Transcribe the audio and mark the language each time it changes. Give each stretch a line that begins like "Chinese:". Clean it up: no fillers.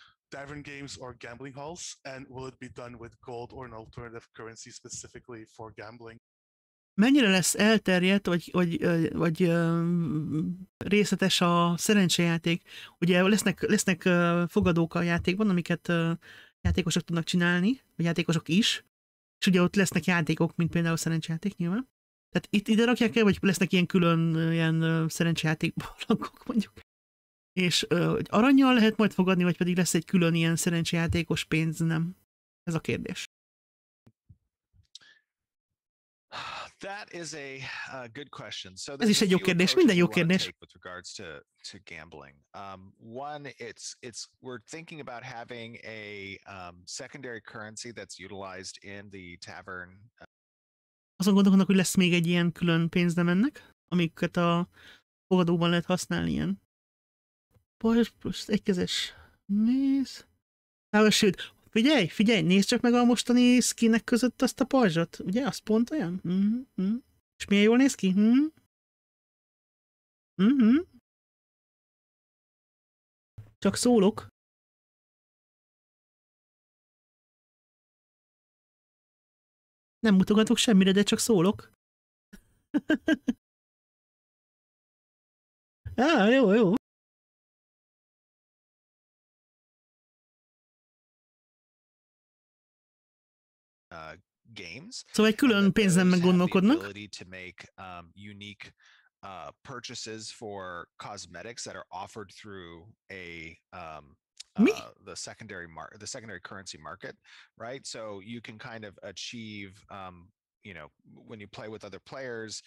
English: Tavern games or gambling halls, and will it be done with gold or an alternative currency specifically for gambling?
Hungarian: Mennyire lesz elterjedt, vagy részletes a szerencsejáték? Ugye lesznek fogadók a játékban, amiket játékosok tudnak csinálni, vagy játékosok is, és ugye ott lesznek játékok, mint például a szerencsejáték nyilván. Tehát itt ide rakják el, vagy lesznek ilyen külön ilyen szerencsejáték barlangok mondjuk? És hogy arannyal lehet majd fogadni, vagy pedig lesz egy külön ilyen szerencsejátékos pénz, nem? Ez a kérdés.
English: That is a good question. So
Hungarian: ez is egy jó kérdés, minden jó kérdés.
English: With regards to gambling. One, it's we're thinking about having a secondary currency that's utilized in the tavern.
Hungarian: Azon gondolkodnak, hogy lesz még egy ilyen külön pénz, nem ennek, amiket a fogadóban lehet használni ilyen. Pajzs plusz egykezes. Nézd. Távolsőd. Figyelj, nézd csak meg a mostani skinek között azt a pajzsot. Ugye, az pont olyan? Mm-hmm. És milyen jól néz ki? Mm-hmm. Mm-hmm. Csak szólok. Nem mutogatok semmire, de csak szólok. Á, jó.
English: Games.
Hungarian: Szóval egy külön pénzen meg gondolkodnak.
English: Unique purchases for cosmetics that are offered through a the secondary currency market, right? So you can kind of achieve you know, when you play with other players.